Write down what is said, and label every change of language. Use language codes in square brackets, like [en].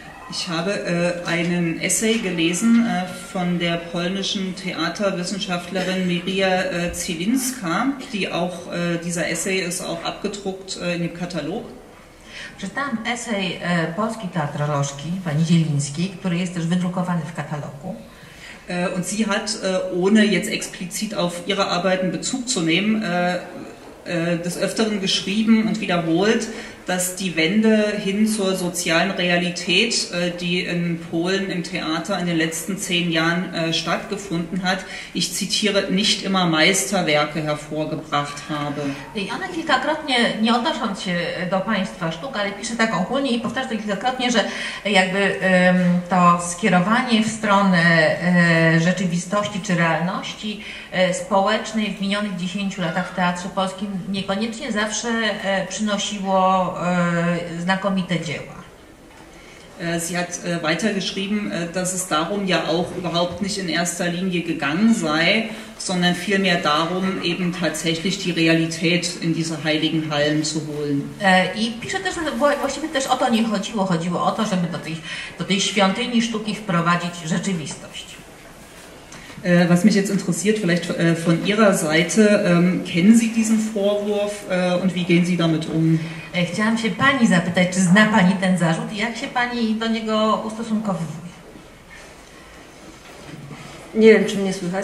[de] Ich habe einen Essay gelesen von der polnischen Theaterwissenschaftlerin Maria Zielinska, die auch dieser Essay ist auch abgedruckt in dem Katalog. [pl] Czytałam esej polskiej teatrolożki pani Zielińskiej, który jest też wydrukowany w katalogu. [de] Und sie hat, ohne jetzt explizit auf ihre Arbeiten Bezug zu nehmen, des Öfteren geschrieben und wiederholt, dass die Wende hin zur sozialen Realität, die in Polen im Theater in den letzten 10 Jahren stattgefunden hat, ich zitiere, nicht immer Meisterwerke hervorgebracht habe. [pl] I ona kilkakrotnie, nie odnosząc się do Państwa sztuk, ale pisze tak ogólnie i powtarza to kilkakrotnie, że jakby to skierowanie w stronę rzeczywistości czy realności społecznej w minionych 10 latach w Teatrze Polskim niekoniecznie zawsze przynosiło znakomite dzieła. [de] Sie hat weitergeschrieben, dass es darum ja auch überhaupt nicht in erster Linie gegangen sei, sondern vielmehr darum, eben tatsächlich die Realität in diese heiligen Hallen zu holen. [pl] I pisze też, właściwie też o to nie chodziło. Chodziło o to, żeby do tej świątyni sztuki wprowadzić rzeczywistość. [de] Was mich jetzt interessiert, vielleicht von Ihrer Seite, kennen Sie diesen Vorwurf und wie gehen Sie damit um? [pl] Chciałam się Pani zapytać, czy zna Pani ten zarzut i jak się Pani do niego ustosunkowuje? Nie wiem, czy mnie słychać.